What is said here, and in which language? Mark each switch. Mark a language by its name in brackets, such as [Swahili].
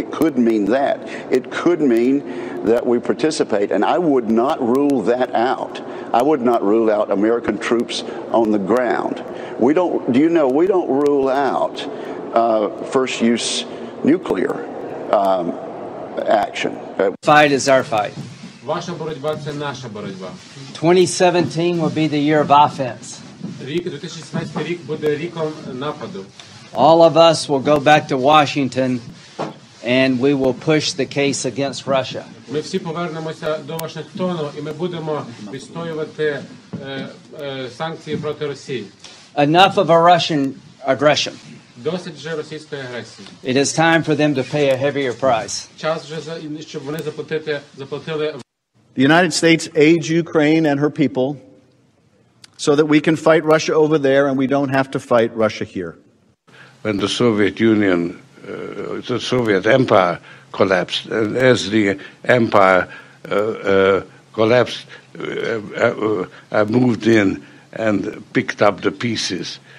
[English] It could mean that. It could mean that we participate, and I would not rule that out. I would not rule out American troops on the ground. We don't. Do you know we don't rule out first use nuclear action? Fight is our fight. [Ukrainian] Ваша боротьба це наша боротьба. [English] 2017 will be the year of offense. [Ukrainian] Рік 2017 рік буде ріком нападу. [English] All of us will go back to Washington, and we will push the case against Russia. [Ukrainian] Ми всі повернемося до Вашингтону, і ми будемо відстоювати санкції проти Росії. [English] Enough of a Russian aggression. [Ukrainian] Досить вже російської агресії. [English] It is time for them to pay a heavier price. [Ukrainian] Час вже за щоб вони заплатили. [English] The United States aids Ukraine and her people so that we can fight Russia over there and we don't have to fight Russia here. When the Soviet Union, the Soviet Empire collapsed, and as the empire collapsed, I moved in and picked up the pieces.